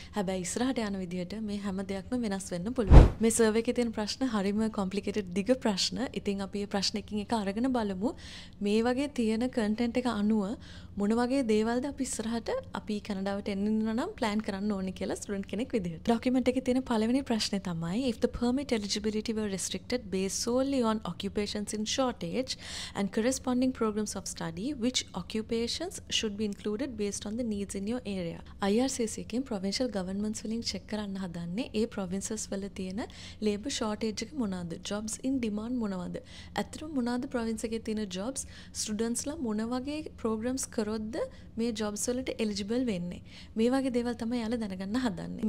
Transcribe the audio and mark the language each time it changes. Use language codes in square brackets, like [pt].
[si] හැබැයි ඉස්සරහට යන විදිහට මේ හැම දෙයක්ම වෙනස් වෙන්න පුළුවන්. මේ සර්වේ එකේ තියෙන ප්‍රශ්න හරිම කොම්ප්ලිකේටඩ් දිග ප්‍රශ්න. ඉතින් අපි මේ ප්‍රශ්නකින් එක අරගෙන බලමු මේ වගේ තියෙන කන්ටෙන්ට් එක අනුව මොන වගේ දේවල්ද අපි ඉස්සරහට අපි කැනඩාවට එන්න ඉන්න නම් ප්ලෑන් කරන්න ඕනේ කියලා ස්ටුඩන්ට් කෙනෙක් විදිහට. ඩොකියුමන්ට් එකේ තියෙන පළවෙනි ප්‍රශ්නේ තමයි [en] if the permit eligibility were restricted based solely on occupations in shortage and corresponding programs of study, which occupations should be included based on the needs in your area. [si] IRRC එකෙන් provincial governments වලින් check කරන්න හදන්නේ ඒ provinces වල තියෙන labor shortage එක මොනවාද, jobs in demand මොනවාද, ඇත්තටම මොනවාද province එකේ තියෙන jobs, studentsලා මොන වගේ programs කරොත්ද මේ ජොබ්ස් වලට එලිජිබල් වෙන්නේ, මේ වගේ දේවල් තමයි යාලා දැනගන්න හදන්නේ.